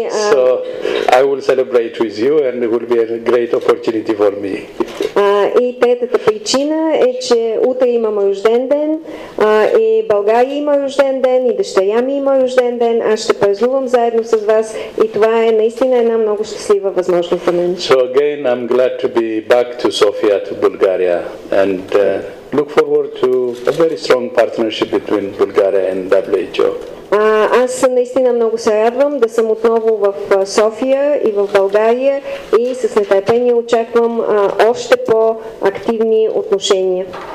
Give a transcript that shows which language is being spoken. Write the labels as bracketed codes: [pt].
[en] So I will celebrate with you and it will be a great opportunity for me. [bg] И третата причина е, че утре имам рожден ден, и България има рожден ден, и дъщеря ми има рожден ден, аз ще празнувам заедно с вас и това е наистина една много щастлива възможност за мен. [en] So again, I'm glad to be back to Sofia, to Bulgaria and look forward to a very strong partnership between Bulgaria and WHO. [bg] Аз наистина много се радвам да съм отново в София и в България и с нетърпение очаквам още по-активни отношения.